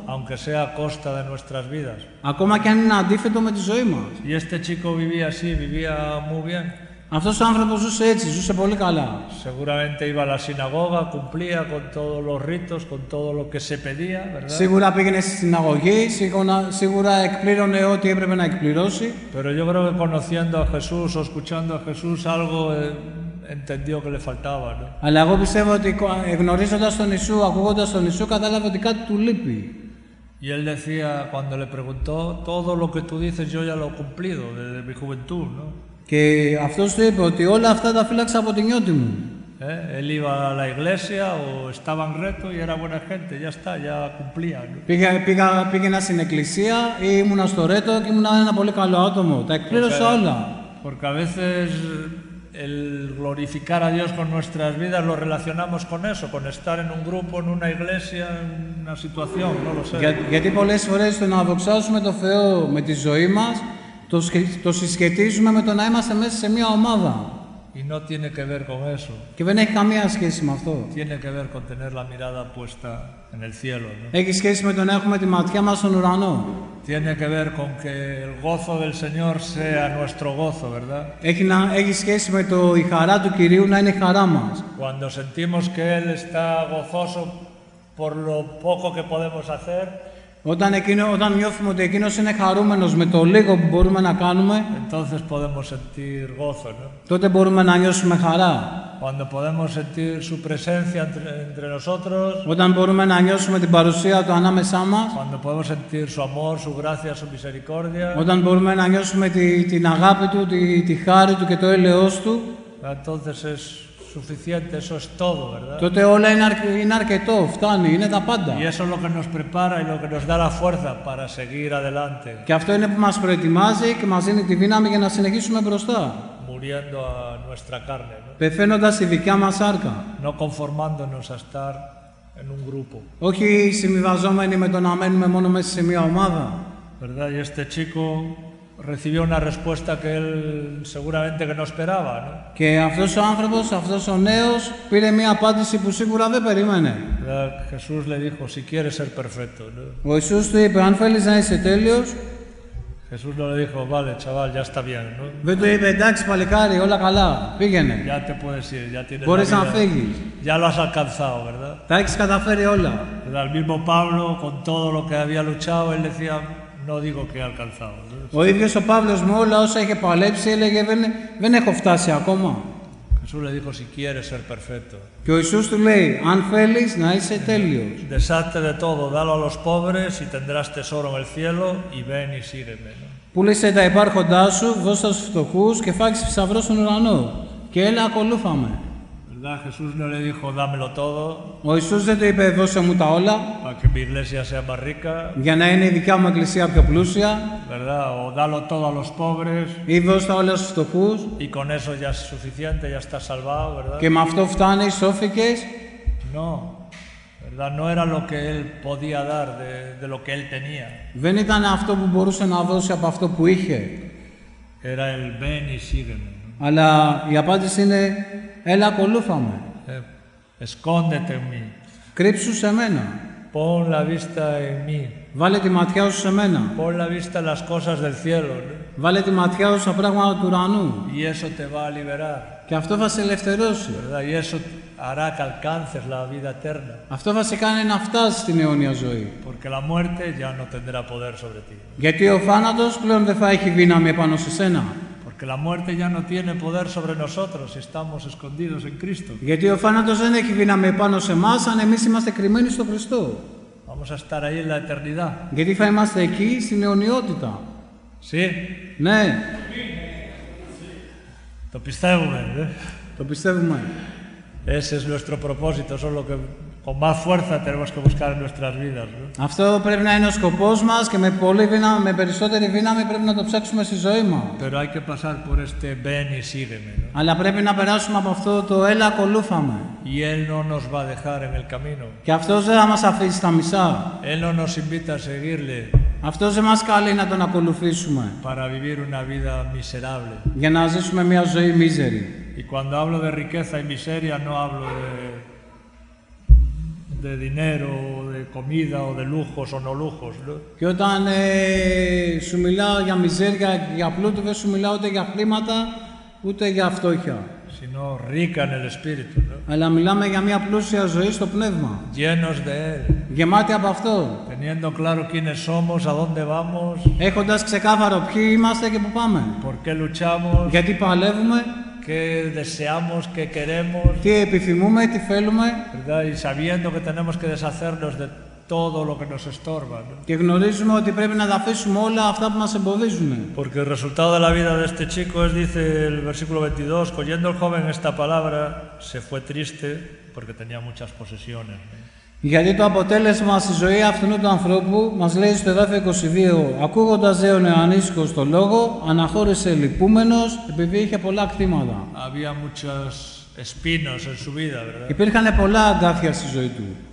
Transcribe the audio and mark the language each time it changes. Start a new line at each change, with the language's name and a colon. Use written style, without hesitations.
Spanish: Aunque sea a costa de nuestras vidas.
Greek: Ακόμα και αν είναι αντίθετο με τη ζωή μας.
Spanish: Y este chico vivía así, vivía muy bien.
Greek: Αυτός ο άνθρωπος ζούσε έτσι, ζούσε πολύ καλά.
Spanish: Seguramente iba a la sinagoga, cumplía con todos los ritos, con todo lo que se pedía, ¿verdad?
Greek: Σίγουρα πήγαινε στη συναγωγή, σίγουρα εκπλήρωνε ό,τι έπρεπε να εκπληρώσει.
Spanish: Pero yo creo que conociendo a Jesús o escuchando a Jesús algo entendió que le faltaba, ¿no?
Greek: Αλλά εγώ πιστεύω ότι γνωρίζοντας τον Ιησού, ακούγοντας τον Ιησού, κατάλαβε ότι κάτι του λείπει.
Spanish: Y él decía, cuando le preguntó, todo lo que tú dices yo ya lo he cumplido desde mi juventud, ¿no?
Greek: Και αυτός του είπε ότι όλα αυτά τα φύλαξα από την νιώτη μου.
Spanish: Él iba a la iglesia o estaba en reto y era buena gente, ya está, ya cumplía.
Greek: Πήγαινα στην εκκλησία ή ήμουνα στο ρέτο και ήμουν ένα πολύ καλό άτομο. Τα εκπλήρωσα όλα.
Spanish: Porque a veces el glorificar a Dios con nuestras vidas lo relacionamos con eso, con estar en un grupo, en una iglesia, en una situación, no lo sé.
Greek: Γιατί πολλές φορές το να δοξάσουμε τον Θεό με τη ζωή μας, το συσχετίζουμε με το να είμαστε μέσα σε μια ομάδα.
Spanish: Y no tiene que ver con eso.
Greek: Και δεν έχει καμία σχέση με αυτό.
Spanish: Tiene que ver con tener la mirada puesta en el cielo, ¿no?
Greek: Έχει σχέση με το να έχουμε τη ματιά μας στον ουρανό.
Spanish: Tiene que ver con que el gozo del Señor sea nuestro gozo, ¿verdad?
Greek: Έχει σχέση με το η χαρά του Κυρίου να είναι η χαρά μας.
Spanish: Cuando sentimos que Él está gozoso por lo poco que podemos hacer.
Greek: Όταν νιώθουμε ότι εκείνος είναι χαρούμενος με το λίγο που μπορούμε να κάνουμε,
Spanish: entonces podemos sentir gozo, ¿no?
Greek: Τότε μπορούμε να νιώσουμε χαρά.
Spanish: Cuando podemos sentir su presencia entre nosotros,
Greek: όταν μπορούμε να νιώσουμε την παρουσία του ανάμεσά μας,
Spanish: cuando podemos sentir su amor, su gracia, su misericordia,
Greek: όταν μπορούμε να νιώσουμε την αγάπη του, τη χάρη του και το έλεος του,
Spanish: entonces es suficiente, eso es todo, ¿verdad?
Greek: Τότε όλα είναι αρκετό, φτάνει, είναι τα πάντα.
Spanish: Y eso es lo que nos prepara y lo que nos da la fuerza para seguir adelante.
Greek: Και αυτό είναι που μας προετοιμάζει και μας δίνει τη δύναμη για να συνεχίσουμε μπροστά.
Spanish: Muriendo a nuestra carne, ¿no?
Greek: Πεθαίνοντας η δικιά μας σάρκα.
Spanish: No conformándonos a estar en un grupo.
Greek: Όχι συμβιβαζόμενοι με το να μένουμε μόνο μέσα σε μια ομάδα.
Spanish: ¿Verdad? Y este chico recibió una respuesta que él seguramente que no esperaba, ¿no?
Greek: Que αυτός ο άνθρωπος, αυτός ο νέος, πήρε μια απάντηση που σίγουρα δεν περίμενε.
Spanish: Jesús le dijo, si quieres ser perfecto, ¿no?
Greek: Ο Ιησούς του είπε, αν θέλεις να είσαι τέλειος.
Spanish: Jesús no le dijo, vale, chaval, ya está bien, ¿no?
Greek: Δεν του είπε, εντάξει, παλικάρι, όλα καλά, πήγαινε.
Spanish: Ya te puedes ir, ya tienes.
Greek: Μπορείς να φύγεις.
Spanish: Ya lo has alcanzado, ¿verdad?
Greek: Τα έχεις καταφέρει όλα.
Spanish: Pero al mismo Pablo, con todo lo que había luchado, él decía, no digo que he alcanzado.
Greek: Ο ίδιος ο Παύλος με όλα όσα είχε παλέψει έλεγε δεν έχω φτάσει ακόμα.
Spanish: Jesús le dijo, si quieres ser perfecto.
Greek: Και ο Ιησούς του λέει, αν θέλεις να είσαι τέλειος.
Spanish: Deshazte de todo, dalo a los pobres y tendrás tesoro en el cielo y ven y sígueme.
Greek: Πούλησε τα υπάρχοντά σου, δώσε στους φτωχούς και φάξε θησαυρό στον ουρανό. Και έλα ακολούθαμε.
Spanish: Jesús no le dijo, dámelo todo.
Greek: Ο Ιησούς δεν του είπε, δώσε μου τα όλα.
Spanish: Para que mi iglesia sea más rica.
Greek: Για να είναι η δικιά μου εκκλησία πιο πλούσια.
Spanish: ¿Verdad? O dalo todo a los pobres.
Greek: Ή δώσε τα όλα στους φτωχούς.
Spanish: Y con eso ya es suficiente, ya está salvado, ¿verdad?
Greek: Και με αυτό φτάνει, σώθηκες.
Spanish: No. ¿Verdad? No era lo que él podía dar de lo que él tenía.
Greek: Δεν ήταν αυτό που μπορούσε να δώσει από αυτό που είχε.
Spanish: Era el ven y sígueme.
Greek: Αλλά η απάντηση είναι, έλα ακολούθαμε.
Spanish: Escóndete en mí.
Greek: Κρύψου σε μένα.
Spanish: Pon la vista en mí.
Greek: Βάλε τη ματιά σου σε μένα.
Spanish: Pon la vista en las cosas del cielo.
Greek: Βάλε τη ματιά σου στα πράγματα του ουρανού.
Spanish: Y eso te va a liberar.
Greek: Και αυτό θα σε ελευθερώσει.
Spanish: Y eso hará que alcances la vida eterna.
Greek: Αυτό θα σε κάνει να φτάσεις στην αιώνια ζωή.
Spanish: Porque la muerte ya no tendrá poder sobre ti.
Greek: Γιατί ο θάνατος πλέον δεν θα έχει δύναμη επάνω σε σένα.
Spanish: Porque la muerte ya no tiene poder sobre nosotros si estamos escondidos en Cristo.
Greek: Γιατί ο θάνατος δεν έχει δύναμη πάνω σε εμάς αν εμείς είμαστε κρυμμένοι στο Χριστό.
Spanish: Vamos a estar ahí en la eternidad.
Greek: Γιατί θα είμαστε εκεί στην αιωνιότητα.
Spanish: Sí.
Greek: Ναι. Το πιστεύουμε. Το πιστεύουμε.
Spanish: Ese es nuestro propósito, solo que con más fuerza tenemos que buscar en nuestras vidas.
Greek: Αυτό πρέπει να είναι ο σκοπός μας και με πολύ δύναμη, με περισσότερη δύναμη πρέπει να το ψάξουμε στη ζωή μας.
Spanish: Pero hay que pasar por este ven y sígueme.
Greek: Αλλά πρέπει να περάσουμε από αυτό το έλα ακολούθαμε.
Spanish: Y él no nos va a dejar en el camino.
Greek: Και αυτός δεν θα μας αφήσει στα μισά.
Spanish: Él no nos invita a seguirle.
Greek: Αυτός δεν μας καλεί να τον ακολουθήσουμε.
Spanish: Para vivir una vida miserable.
Greek: Για να ζήσουμε μια ζωή μίζερη.
Spanish: Y cuando hablo de riqueza y miseria, no hablo de dinero, de comida o de lujos o no lujos.
Greek: Και όταν σου μιλάω για μιζέρια, για πλούτο, δεν σου μιλάω ούτε για χρήματα, ούτε για φτώχεια.
Spanish: Sino rica en el espíritu.
Greek: Αλλά μιλάμε για μια πλούσια ζωή στο πνεύμα.
Spanish: Llenos de él.
Greek: Γεμάτη από αυτό.
Spanish: Teniendo claro quiénes somos, a dónde vamos.
Greek: Έχοντας ξεκάθαρο ποιοι είμαστε και πού πάμε.
Spanish: Por qué luchamos.
Greek: Γιατί παλεύουμε.
Spanish: Que deseamos, que queremos.
Greek: Τι επιθυμούμε, τι θέλουμε.
Spanish: Y sabiendo que tenemos que deshacernos de todo lo que nos estorba.
Greek: Και γνωρίζουμε ότι πρέπει να τα αφήσουμε όλα αυτά που μας εμποδίζουν.
Spanish: Porque el resultado de la vida de este chico es, dice el versículo 22, cogiendo el joven esta palabra, se fue triste porque tenía muchas posesiones.
Greek: Γιατί το αποτέλεσμα στη ζωή αυτού του ανθρώπου, μας λέει στο εδάφιο 22, ακούγοντας δε ο νεανίσκος το λόγο, αναχώρησε λυπούμενος, επειδή είχε πολλά κτήματα.
Spanish: Había muchas espinas en su vida, ¿verdad?
Greek: Υπήρχαν πολλά αγκάθια στη ζωή του.